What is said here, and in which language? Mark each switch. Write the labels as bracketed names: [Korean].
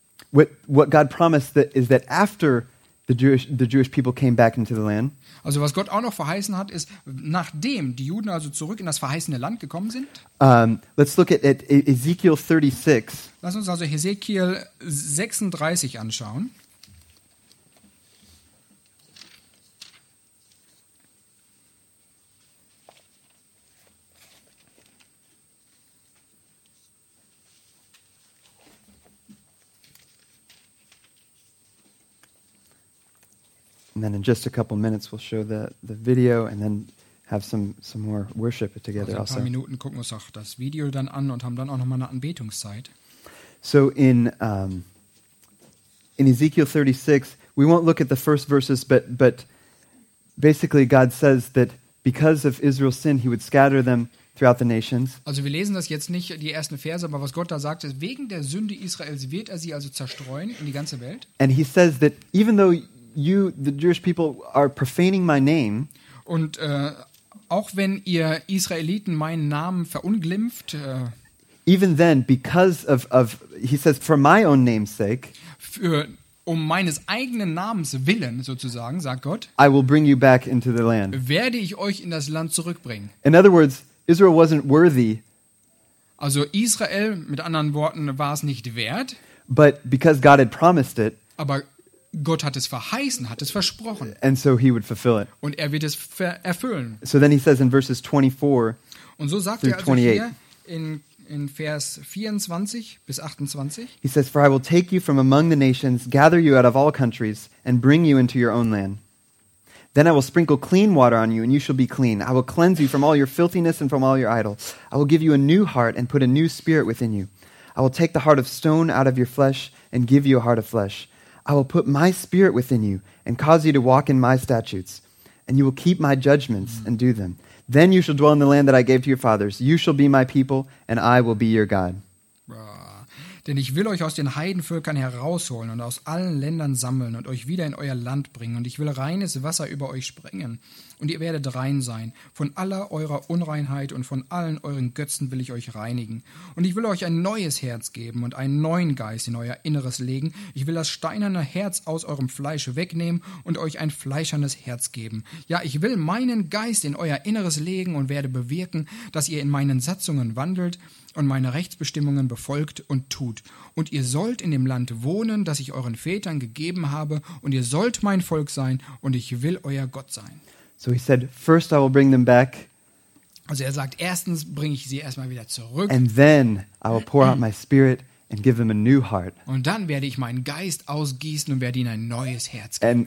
[English] What God promised that is that after the Jewish people came back into the land. [German] Also was Gott auch noch verheißen hat, ist nachdem die Juden also zurück in das verheißene Land gekommen sind. [English] Let's look at Ezekiel 36. [German] Lass uns also Ezekiel 36 anschauen. [English] And then in just a couple minutes we'll show the video and then have some more worship together [German] also. Paar Minuten gucken wir uns auch das Video dann an und haben dann auch noch mal eine Anbetungszeit. [English] So in Ezekiel 36 we won't look at the first verses but basically God says that because of Israel's sin he would scatter them throughout the nations. [German] Also wir lesen das jetzt nicht die ersten Verse, aber was Gott da sagt ist wegen der Sünde Israels wird er sie also zerstreuen in die ganze Welt. [English] And he says that even though you, the Jewish people, are profaning my name. [German] Und auch wenn ihr Israeliten meinen Namen verunglimpft, [English] even then, because of, he says, for my own name's sake, [German] um meines eigenen Namens willen, sozusagen, sagt Gott, [English] I will bring you back into the land. [German] Werde ich euch in das Land zurückbringen. [English] In other words, Israel wasn't worthy. [German] Also Israel, mit anderen Worten, war es nicht wert. [English] But because God had promised it. [German] Aber Gott hat es verheißen, hat es versprochen. [English] And so he would fulfill it. [German] Und er wird es erfüllen. [English] So then he says in verses 24. [German] Und so sagt er also 28. Hier in Vers 24 bis 28. [English] He says, for I will take you from among the nations, gather you out of all countries, and bring you into your own land. Then I will sprinkle clean water on you, and you shall be clean. I will cleanse you from all your filthiness and from all your idols. I will give you a new heart and put a new spirit within you. I will take the heart of stone out of your flesh and give you a heart of flesh. I will put my spirit within you and cause you to walk in my statutes, and you will keep my judgments and do them. Then you shall dwell in the land that I gave to your fathers. You shall be my people, and I will be your God. [German] Denn ich will euch aus den Heidenvölkern herausholen und aus allen Ländern sammeln und euch wieder in euer Land bringen. Und ich will reines Wasser über euch sprengen. Und ihr werdet rein sein. Von aller eurer Unreinheit und von allen euren Götzen will ich euch reinigen. Und ich will euch ein neues Herz geben und einen neuen Geist in euer Inneres legen. Ich will das steinerne Herz aus eurem Fleisch wegnehmen und euch ein fleischernes Herz geben. Ja, ich will meinen Geist in euer Inneres legen und werde bewirken, dass ihr in meinen Satzungen wandelt und meine Rechtsbestimmungen befolgt und tut. Und ihr sollt in dem Land wohnen, das ich euren Vätern gegeben habe, und ihr sollt mein Volk sein, und ich will euer Gott sein. [English] So he said, first I will bring them back. [German] Also er sagt, erstens bringe ich sie erstmal wieder zurück. [English] And then I will pour out my spirit and give them a new heart. [German] Und dann werde ich meinen Geist ausgießen und werde ihnen ein neues Herz geben.